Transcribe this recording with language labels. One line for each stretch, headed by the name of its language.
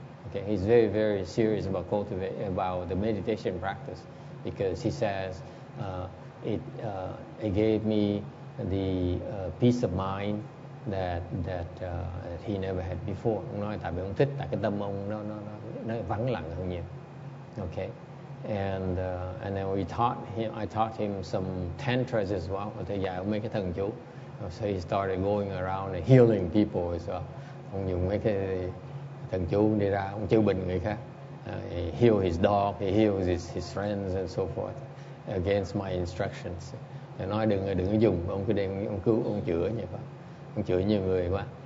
English: Okay, he's very, very serious about about the meditation practice, because he says it gave me the peace of mind that he never had before.
Vietnamese: Ông nói tại vì ông thích, tại cái tâm ông nó vắng lặng hơn nhiều.
English: Okay, and then I taught him some tantras as well.
Vietnamese: Thầy dạy ông mấy cái thần chú.
English: So he started going around and healing people as well.
Vietnamese: Ông dùng mấy cái thần chú đi ra ông chữa bệnh người khác.
English: He heals his dog, he heals his friends and so forth against my instructions.
Vietnamese: Thì nói đừng có dùng, ông cứ đem ông cứu ông chữa như vậy. Ông chữa nhiều người quá.